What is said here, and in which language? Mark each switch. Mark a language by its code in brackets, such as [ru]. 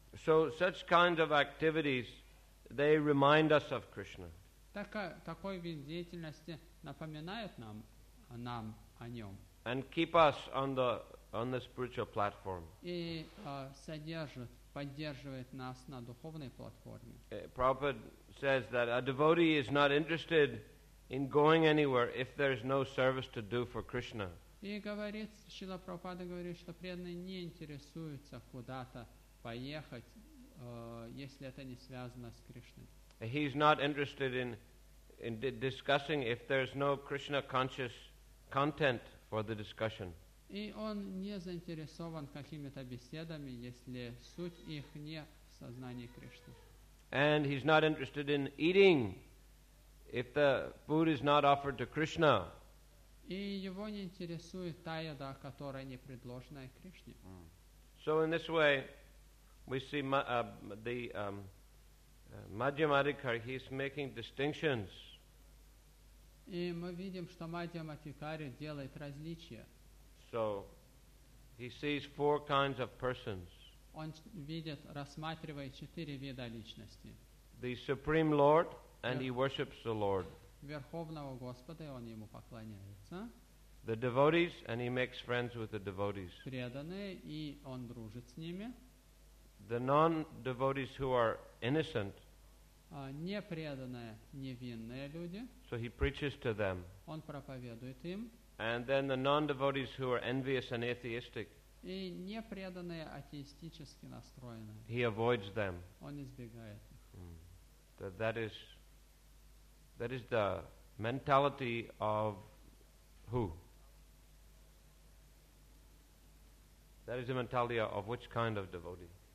[en] So such kinds of activities, they remind us of Krishna. [ru] Такой вид деятельности напоминает нам о нем. [en] And keep us on the spiritual platform. [ru] И содержит, поддерживает нас на духовной платформе. [en] Prabhupada says that a devotee is not interested in going anywhere if there is no service to do for Krishna. [ru] И говорит, Шрила Прабхупада говорит, что преданный не интересуется куда-то поехать, если это не связано с Кришной. [en] He's not interested in discussing if there's no Krishna conscious content for the discussion. [ru] И он не заинтересован какими-то беседами, если суть их не в сознании Кришны. [en] And he's not interested in eating if the food is not offered to Krishna. [ru] И его не интересует та еда, которая не предложена Кришне. [en] So in this way, we see Madhyamadikar, he's making distinctions. [ru] И мы видим, что Мадхьямадхикари делает различия. [en] So he sees four kinds of persons. [ru] Он видит, рассматривает четыре вида личности. [en] The Supreme Lord, and he worships the Lord. [ru] Верховного Господа, и он ему поклоняется. [en] The devotees, and he makes friends with the devotees. [ru] Преданные, и он дружит с ними. [en] The non-devotees who are innocent. [ru] Непреданные, невинные люди. [en] So he preaches to them. [ru] Он проповедует им. [en] And then the non-devotees who are envious and atheistic. [ru] И непреданные, атеистически настроенные. [en] He avoids them. [ru] Он избегает их. [en] That is the mentality of who? That is the mentality of which kind of devotee?